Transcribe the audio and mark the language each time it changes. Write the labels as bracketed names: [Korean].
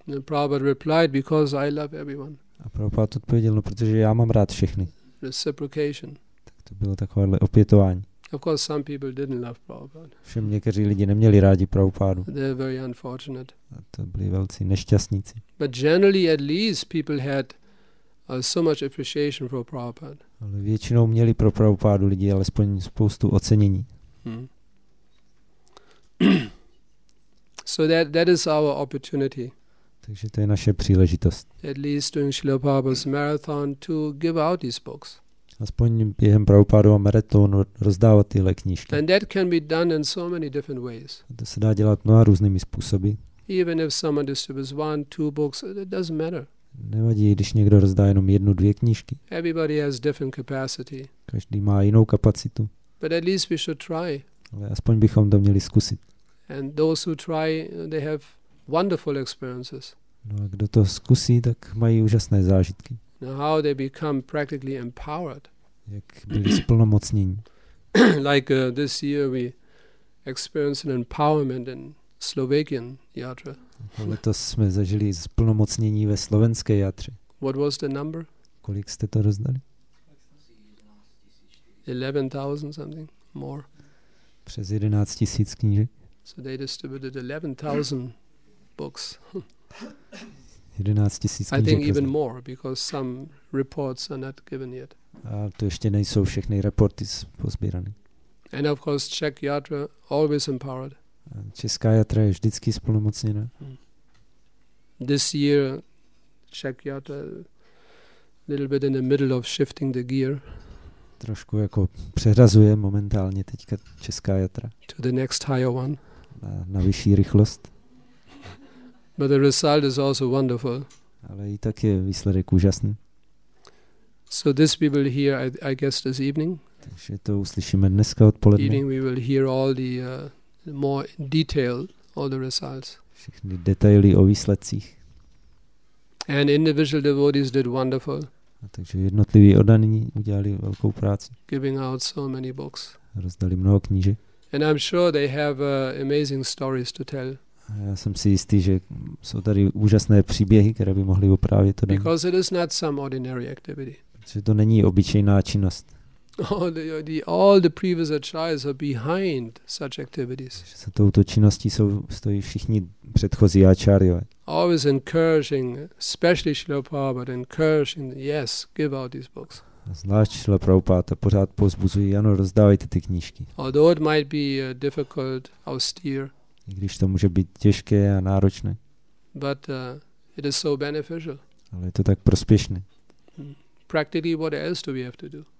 [English] Prabhupada replied, because I love everyone. [Czech] A Prabhupáda odpověděl, no, protože já mám rád všechny. [English] Reciprocation. [Czech] Tak to bylo takovéhle opětování. [English] Of course, some people didn't love Prabhupada. [Czech] Všem někteří lidi neměli rádi Prabhupádu. [English] They were very unfortunate. [Czech] A to byli velcí nešťastníci. [English] But generally, at least, people had so much appreciation for Prabhupada. [Czech] Ale většinou měli pro Prabhupádu lidi alespoň spoustu ocenění. [English] So that is our opportunity. [Czech] Takže to je naše příležitost. [English] At least during Srila Prabhupada's marathon to give out these books. [Czech] Aspoň během Prabhupádova maratonu rozdávat tyhle knížky. [English] And that can be done in so many different ways. [Czech] A to se dá dělat mnoha různými způsoby. [English] Even if someone distributes one, two books, it doesn't matter. [Czech] Nevadí, když někdo rozdá jenom jednu, dvě knížky. [English] Everybody has different capacity. [Czech] Každý má jinou kapacitu. [English] But at least we should try. [Czech] Ale aspoň bychom to měli zkusit. [English] And those who try, they have wonderful experiences. [Czech] No a kdo to zkusí, tak mají úžasné zážitky. [English] Now how they become practically empowered. [Czech] Jak byli splnomocnění. [English] Like this year we experienced an empowerment in Slovakian yatra. [Czech] Letos jsme zažili splnomocnění ve slovenské játře. [English] What was the number? [Czech] Kolik jste to rozdali? [English] 11,000 something more. [Czech] Přes 11 000 knížek. [English] So they distributed 11,000 books. [Czech] 11 000 knížek. [English] I think even more, because some reports are not given yet. [Czech] A to ještě nejsou všechny reporty pozbírané. [English] And of course Czech yatra always empowered. [Czech] Česká játra je vždycky splnomocněna. [English] This year Czech játra little bit in the middle of shifting the gear. [Czech] Trošku jako přehrazuje momentálně teďka česká játra. [English] To the next higher one. [Czech] Na vyšší rychlost. [English] But the result is also wonderful. [Czech] Ale i tak je výsledek úžasný. [English] So this we will hear, I guess, this evening. [Czech] Takže to uslyšíme dneska odpoledne. [English] Evening we will hear all the more in detail all the results. [Czech] Všechny detaily o výsledcích. [English] And individual devotees did wonderful. [Czech] A takže jednotliví oddaní udělali velkou práci. [English] Giving out so many books. [Czech] Rozdali mnoho knížek. [English] And I'm sure they have amazing stories to tell. [Czech] A já jsem si jistý, že jsou tady úžasné příběhy, které by mohli oprávět to. [English] Because it is not some ordinary activity. [Czech] Protože to není obyčejná činnost. [English] All the previous acharyas are behind such activities. [Czech] Za touto činností stojí všichni předchozí áčárjové. [English] Always encouraging, especially Srila Prabhupada, encouraging, yes, give out these books. [Czech] Zvlášť Srila Prabhupada pořád povzbuzují, ano, rozdávajte ty knížky. [English] Although it might be difficult, austere. [Czech] I když to může být těžké a náročné. [English] But it is so beneficial. [Czech] Ale je to tak prospěšné. [English] Practically, what else do we have to do?